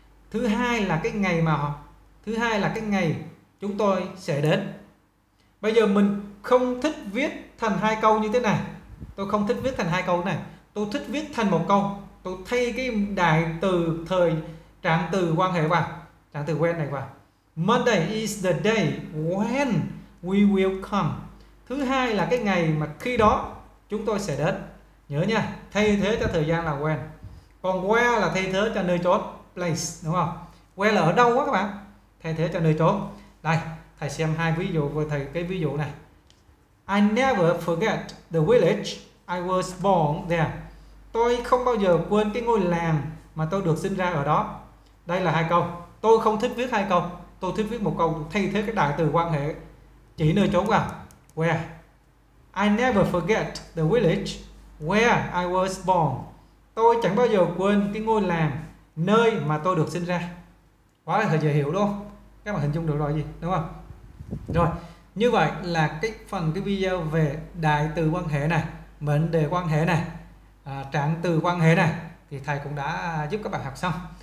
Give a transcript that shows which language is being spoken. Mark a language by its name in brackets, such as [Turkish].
[Vietnamese] Thứ hai là cái ngày mà họ, thứ hai là cái ngày chúng tôi sẽ đến. Bây giờ mình không thích viết thành hai câu như thế này. Tôi không thích viết thành hai câu này. Tôi thích viết thành một câu. Tôi thay cái đại từ thời trạng từ quan hệ vào, trạng từ when này vào. [English] Monday is the day when we will come. [Vietnamese] Thứ hai là cái ngày mà khi đó chúng tôi sẽ đến. Nhớ nha, thay thế cho thời gian là when. Còn where là thay thế cho nơi chốn, place, đúng không? Where là ở đâu quá các bạn? Thay thế cho nơi chốn. Đây, thầy xem hai ví dụ với thầy cái ví dụ này. [English] I never forget the village I was born there. [Vietnamese] Tôi không bao giờ quên cái ngôi làng mà tôi được sinh ra ở đó. Đây là hai câu. Tôi không thích viết hai câu. Tôi thích viết một câu thay thế cái đại từ quan hệ chỉ nơi chốn vào. [English] Where? I never forget the village where I was born. [Vietnamese] Tôi chẳng bao giờ quên cái ngôi làng nơi mà tôi được sinh ra. Quá là thời dễ hiểu đúng không? Các bạn hình dung được rồi gì, đúng không? Rồi, như vậy là cái phần cái video về đại từ quan hệ này, mệnh đề quan hệ này, trạng từ quan hệ này thì thầy cũng đã giúp các bạn học xong.